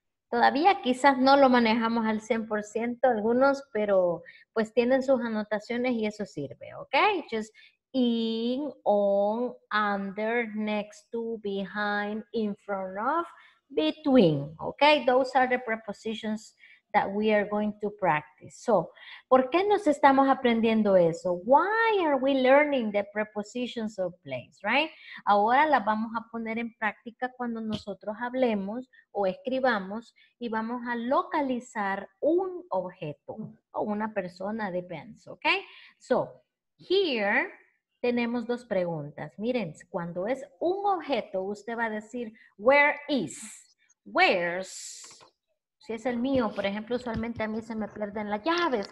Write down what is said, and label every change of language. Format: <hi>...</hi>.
<es>Todavía quizás no lo manejamos al 100% algunos, pero pues tienen sus anotaciones y eso sirve, ¿ok?</es> <en>Just in, on, under, next to, behind, in front of, between, ¿ok? Those are the prepositions that we are going to practice. So, ¿por qué nos estamos aprendiendo eso? Why are we learning the prepositions of place, right?</en> <es>Ahora las vamos a poner en práctica cuando nosotros hablemos o escribamos y vamos a localizar un objeto o una persona, depends, okay? So, here tenemos dos preguntas. Miren, cuando es un objeto, usted va a decir, where is, where's, si es el mío, por ejemplo, usualmente a mí se me pierden las llaves.</es>